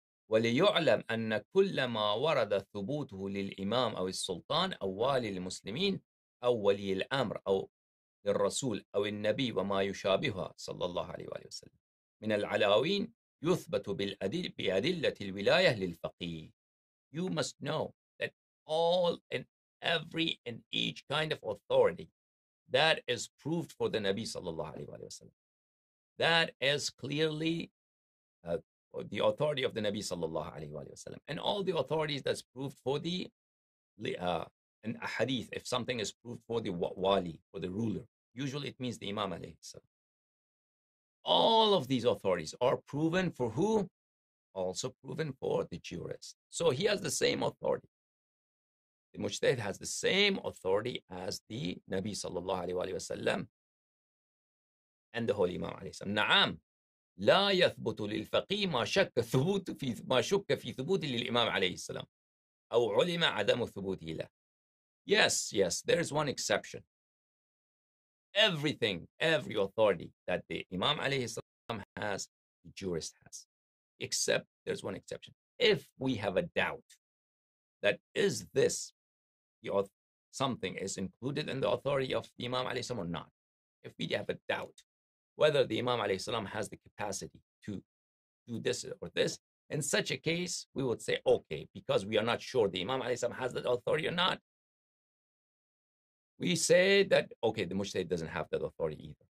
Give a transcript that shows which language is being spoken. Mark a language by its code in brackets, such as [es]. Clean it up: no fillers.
[ar] وليعلم أن كل ما ورد ثبوته للإمام أو السلطان أو والي المسلمين أو ولي الأمر أو للرسول أو النبي وما يشابهها صلى الله عليه وآله وسلم من العلاوين يثبت بأدلة الولاية للفقيه. [en] You must know that all and every and each kind of authority that is proved for the Nabi sallallahu alayhi wa sallam, that is clearly the authority of the Nabi sallallahu alayhi wa sallam, and all the authorities that's proved for the an hadith, if something is proved for the wali, for the ruler, usually it means the imam alayhi sallam. All of these authorities are proven for who? Also proven for the jurist. So he has the same authority. The mujtahid has the same authority as the Nabi sallallahu alayhi wa sallam and the holy imam alayhi sallam. [ar] Na'am. لا يثبت للفقيه ما شك ثبوت في ما شك في ثبوت للإمام عليه السلام أو علم عدم ثبوته له. [en] Yes, yes, there is one exception. Everything, every authority that the Imam عليه السلام has, the jurist has. Except there's one exception. If we have a doubt that is this something is included in the authority of the Imam عليه السلام or not, if we have a doubt whether the Imam alayhi salam has the capacity to do this or this, in such a case, we would say, okay, because we are not sure the Imam alayhi salam has that authority or not, we say that, okay, the mujtahid doesn't have that authority either.